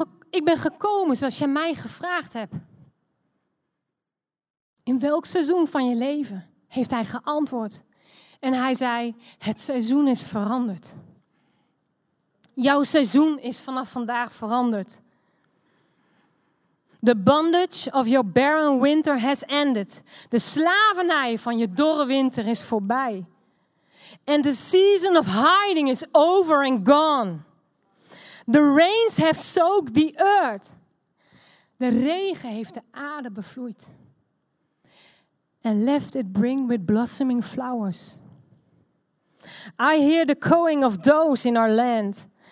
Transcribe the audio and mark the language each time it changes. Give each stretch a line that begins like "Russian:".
Dutch: Ik ben gekomen zoals jij mij gevraagd hebt. In welk seizoen van je leven? Heeft hij geantwoord. En hij zei, het seizoen is veranderd. Jouw seizoen is vanaf vandaag veranderd.
English: The bondage of your barren winter has ended.
Dutch: De slavernij van je dorre winter is voorbij.
English: And the season of hiding is over and gone. The rains have soaked the earth.
Dutch: De regen heeft de aarde bevloeid.
English: And left it bring with blossoming flowers. I hear the cooing of doves in our land.